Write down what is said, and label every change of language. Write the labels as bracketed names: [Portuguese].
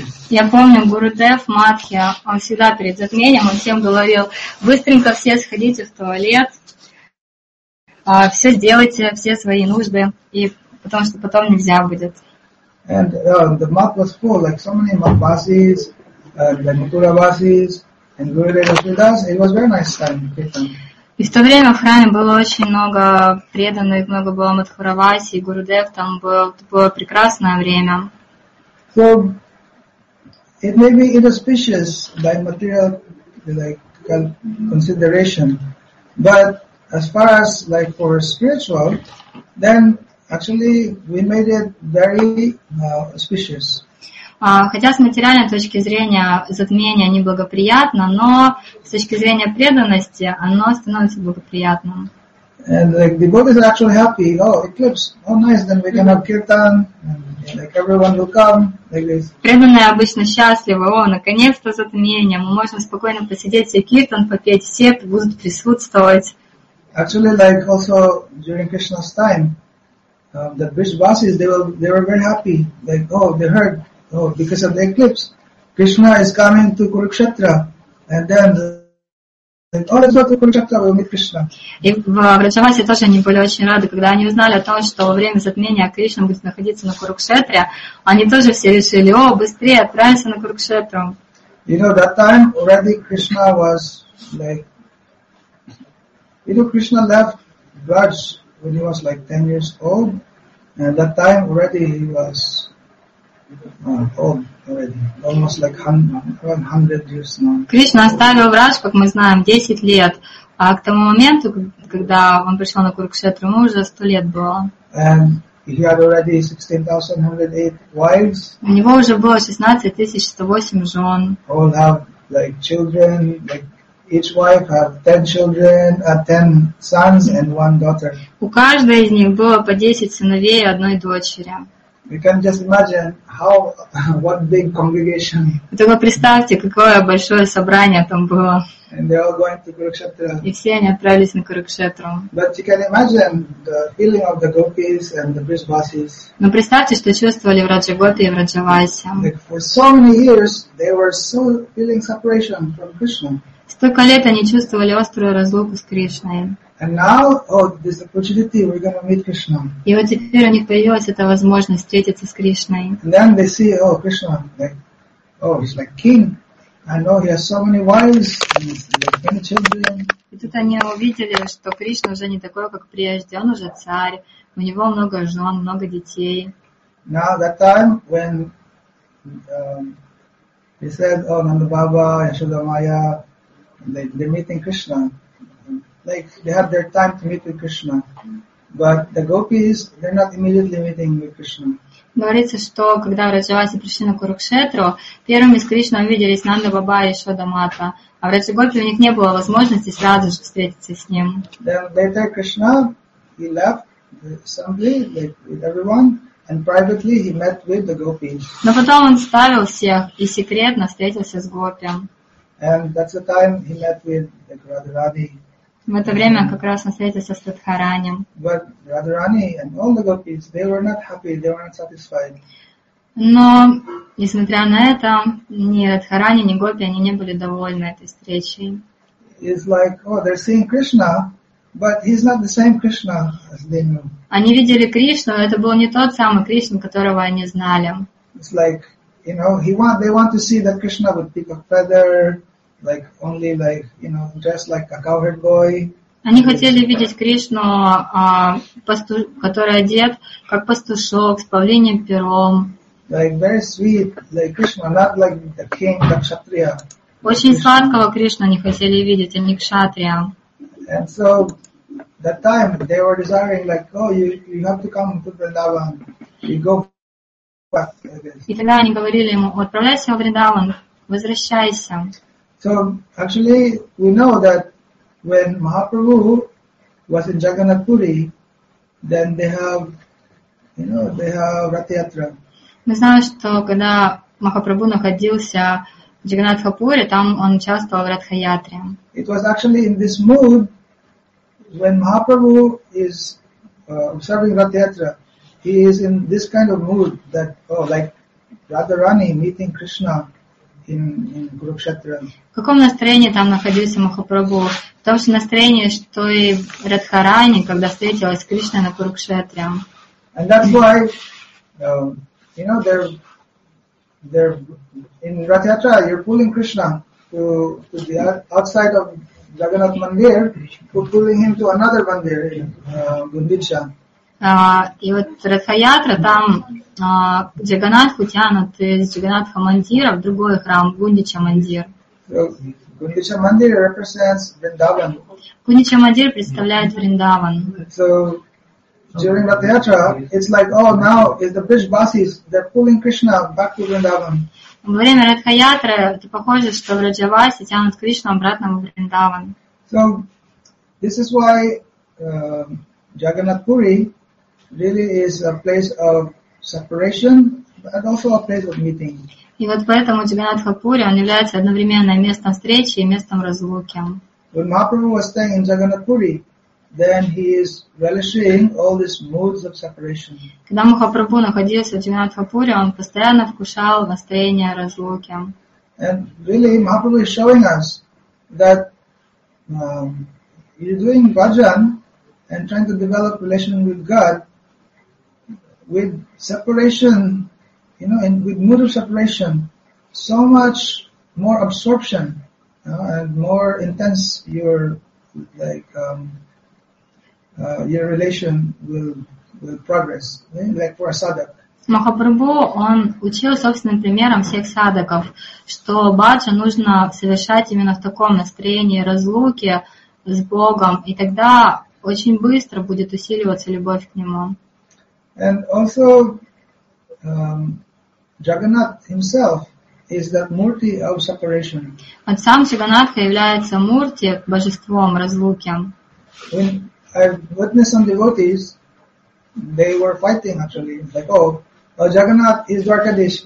[Russian] Я помню Гурудев Матхи, он всегда перед затмением, он всем говорил, быстренько все сходите в туалет, все сделайте, все свои нужды, и потому что потом нельзя будет. [English] And the mat was full, like so many mat buses, the Mathura buses, and Gurudev was with us, it was very nice time. [Russian] И в то время в храме было очень много преданных, много было Мадхураваси, и Гурудев там был. Это было прекрасное время. [English] So, it may be inauspicious by material like, consideration, but as far as like for spiritual, then actually we made it very auspicious. [Russian] Хотя с материальной точки зрения затмение неблагоприятно, но с точки зрения преданности оно становится благоприятным. [English] And like the devotees are actually happy. Oh, eclipse. Oh, nice. Then we can have kirtan. And like everyone will come. Like this. [Russian] Преданные обычно счастливы. О, наконец-то затмение. Мы можем спокойно посидеть, все киртан попеть, все будут присутствовать. [English] Actually, like also during Krishna's time, the Vrishvasis, they were very happy. Like, oh, they heard. Oh, because of the eclipse. Krishna is coming to Kurukshetra. And then... [Russian] И в Враджавасе тоже они были очень рады, когда они узнали о том, что во время затмения Кришна будет находиться на Курукшетре. Они тоже все решили, о, быстрее отправимся на Курукшетру. [English] You know, that time already Krishna was like... You know, Krishna left Braj when he was like 10 years old. And that time already he was old. Almost like 100 years now. [Russian] Кришна оставил Враж, как мы знаем, 10 лет. А к тому моменту, когда он пришел на Курукшетру, ему уже 100 лет было. [English] And he had already 16,108 wives. [Russian] У него уже было 16,108 жен. [English] All have like children, like each wife have 10 children, 10 sons and one daughter. [Russian] У каждой из них было по 10 сыновей и одной дочери. [English] You can just imagine how what big congregation. [Russian] Только представьте, какое большое собрание там было. [English] And they're all going to Kurukshetra. [Russian] И все они отправились на Курукшетру. [English] But you can imagine the feeling of the gopis and the Vrishvasis. [Russian] Но представьте, что чувствовали Враджа-гопи и Враджа-васи. [English] Like for so many years, they were so feeling separation from Krishna. [Russian] Столько лет они чувствовали острую разлуку с Кришной. [English] And now, oh, this opportunity, we're gonna meet Krishna. [Russian] И вот теперь у них появилась эта возможность встретиться с Кришной. [English] And then they see, oh, Krishna, like, oh, he's like king. I know he has so many wives, he's like many children. [Russian] И тут они увидели, что Кришна уже не такой, как прежде. Он уже царь. У него много жен, много детей. [English] Now that time when they said, oh, Nanda Baba, Yashoda Maya, they're meeting Krishna. Like they have their time to meet with Krishna, but the gopis they're not immediately meeting with Krishna. [Russian] Говорится, что когда Враджа-васи пришли на Курукшетру, первыми с Кришной увиделись Нанда Баба и Йашода Мата, а в Враджа-гопи у них не было возможности сразу же встретиться с ним. [English] Then later Krishna he left the assembly like with everyone and privately he met with the gopis. [Russian] Но потом он оставил всех и секретно встретился с гопи. [English] And that's the time he met with the Radharani. [Russian] В это время как раз он встретился с Радхарани. [English] But Radharani and all the gopis, they were not happy, they were not satisfied. [Russian] Но, несмотря на это, ни Радхарани, ни гопи, они не были довольны этой встречей. [English] It's like, oh, they're seeing Krishna, but he's not the same Krishna as they knew. [Russian] Они видели Кришну, но это был не тот самый Кришна, которого они знали. [English] It's like, you know, they want to see that Krishna with peak of feather. Like only like, you know, dressed like a cowherd boy. [Russian] Они хотели видеть Кришну, который одет как пастушок с павлиньим пером. [English] Like very sweet, like Krishna, not like the king, the kshatriya. [Russian] Очень сладкого Кришну они хотели видеть, а не кшатрия. [English] And so that time they were desiring like, oh, you have to come to Vrindavan, you go back. [Russian] И тогда они говорили ему, отправляйся во Вриндаван, возвращайся. [English] So actually, we know that when Mahaprabhu was in Jagannath Puri, then they have Rath Yatra. [Russian] Мы знаем, что когда Махапрабху находился в Джаганнатхапуре, там он участвовал в Ратха Ятре. [English] It was actually in this mood when Mahaprabhu is observing Rath Yatra. He is in this kind of mood that oh, like Radharani meeting Krishna. [Russian] В каком настроении там находился Махапрабху? В том же настроении, что и Радхарани, когда встретилась с Кришной на Курукшетре. [English] And that's why, you know, they're in Ratha Yatra, you're pulling Krishna to the outside of Jagannath Mandir, you're pulling him to another Mandir, Gundicha. [Russian] И вот Ратха Ятра там Джаганатху тянут из Джаганатха Мандира в другой храм, Гундича Мандир. [English] Гундича Мандир represents Вриндаван. [Russian] Гундича Мандир представляет Вриндаван. [English] So during Ratha Yatra, it's like, oh, now is the Vrishvasis, they're pulling Krishna back to Vrindavan. [Russian] Во время Ратха Ятра это похоже, что Враджа-васи тянут Кришну обратно в Вриндаван. [English] So this is why Jagannath Puri really is a place of separation, but also a place of meeting. [Russian] И вот поэтому Джаганнатха Пури, он является одновременно местом встречи и местом разлуки. [English] When Mahaprabhu was staying in Jagannath Puri, then he is relishing all these moods of separation. [Russian] Когда Махапрабху находился в Джаганнатха Пури, он постоянно вкушал настроение разлуки. [English] And really, Mahaprabhu is showing us that you're doing bhajan and trying to develop relation with God with separation, you know, and with mood of separation, so much more absorption, and more intense your your relation will progress, like for a sadhak. [Russian] Махапрабху, он учил собственным примером всех садаков, что баджа нужно совершать именно в таком настроении разлуки с Богом, и тогда очень быстро будет усиливаться любовь к Нему. [English] And also, Jagannath himself is that murti of separation. [Russian] Вот сам Джаганнатха является мурти, божеством разлуки. [English] When I witnessed some devotees, they were fighting actually, like, oh, Jagannath is Dwarkadish.